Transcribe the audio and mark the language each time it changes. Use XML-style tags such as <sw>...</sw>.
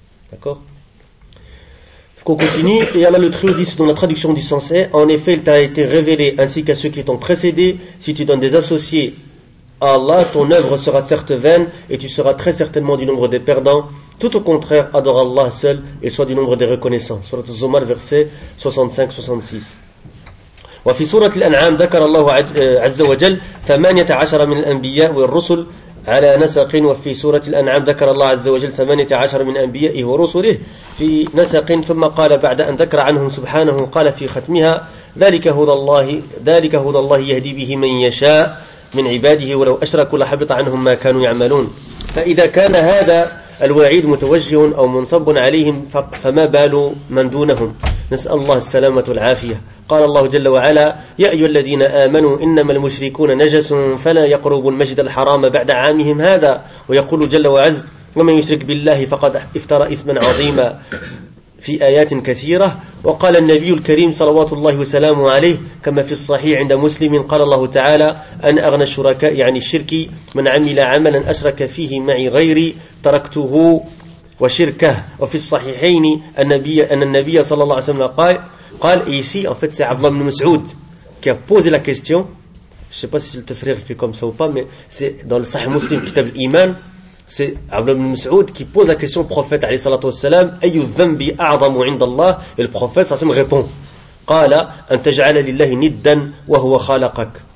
<fr>D'accord ? Qu'on continue. Et Allah le Très-Haut dit, dans la traduction du sens est: en effet, il t'a été révélé ainsi qu'à ceux qui t'ont précédé, si tu donnes des associés à Allah, ton œuvre sera certes vaine et tu seras très certainement du nombre des perdants. Tout au contraire, adore Allah seul et sois du nombre des reconnaissants. Surat Zumar, verset 65-66.</fr> <ar>وفي سورة الأنعام ذكر الله عز وجل 18 من الأنبياء والرسل على نسق. وفي سورة الأنعام ذكر الله عز وجل 18 من أنبيائه ورسله في نسق، ثم قال بعد أن ذكر عنهم سبحانه قال في ختمها: ذلك هدى الله يهدي به من يشاء من عباده ولو أشركوا لحبط عنهم ما كانوا يعملون. فإذا كان هذا الوعيد متوجه أو منصب عليهم فما بال من دونهم؟ نسأل الله السلامة والعافية. قال الله جل وعلا: يا أيها الذين آمنوا إنما المشركون نجس فلا يقربوا المسجد الحرام بعد عامهم هذا. ويقول جل وعز: ومن يشرك بالله فقد افترى إثما عظيما في آيات كثيرة. وقال النبي الكريم صلوات الله وسلامه عليه كما في الصحيح عند مسلم قال الله تعالى: أنا أغنى الشركاء يعني الشرك، من عمل عملا أشرك فيه معي غيري تركته وشركه. وفي الصحيحين أن النبي صلى الله عليه وسلم قال</ar> <fr>ici en fait c'est Abdullah ibn Mas'ud qui a posé la question. Je sais pas si le tafrir fait comme ça ou pas, mais c'est dans le Sahih Muslim, Kitab al-Iman, c'est Abdullah ibn Mas'ud qui pose la question au prophète عليه الصلاة والسلام:</fr> <ar>أي الذنب أعظم عند الله؟</ar> <fr>Et le prophète صلى الله عليه وسلم répond:</fr> <ar>قال أن تجعل لله ندا وهو خالقك.</ar>